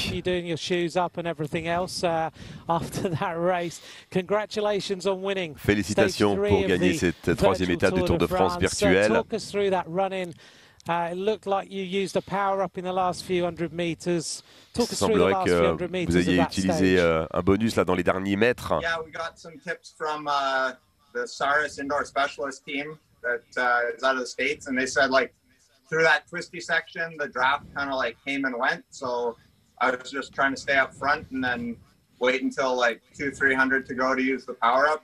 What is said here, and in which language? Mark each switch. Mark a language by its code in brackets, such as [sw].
[en] You're doing your shoes up and everything else after that race. Congratulations on winning. [fr] Félicitations pour gagner cette troisième étape du Tour de France virtuel. [en] Talk us through that run-in. It looked like you used a power up in the last few hundred meters. Talk us through the last few hundred meters. [fr] Vous aviez utilisé un bonus là dans les derniers mètres. [en] Yeah, we got some tips from the Saris Indoor Specialist team that is out of the States, and they said like. Through that twisty section, the draft kind of like came and went. So I was just trying to stay up front and then wait until like 200-300 to go to use the power up.